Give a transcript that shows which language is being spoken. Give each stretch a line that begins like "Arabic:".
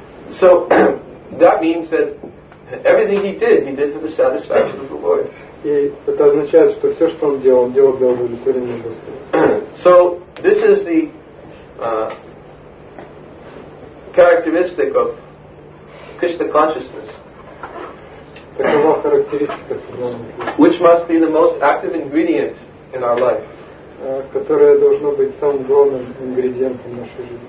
English: So that means that everything he did for the satisfaction of the Lord.
Russian: И это означает, что все, что он делал для удовлетворения Господа.
English: So this is the characteristic of Krishna consciousness.
Russian: Такова характеристика сознания Кришны.
English: Which must be the most active ingredient in our life.
Russian: Которое должно быть самым главным ингредиентом нашей жизни.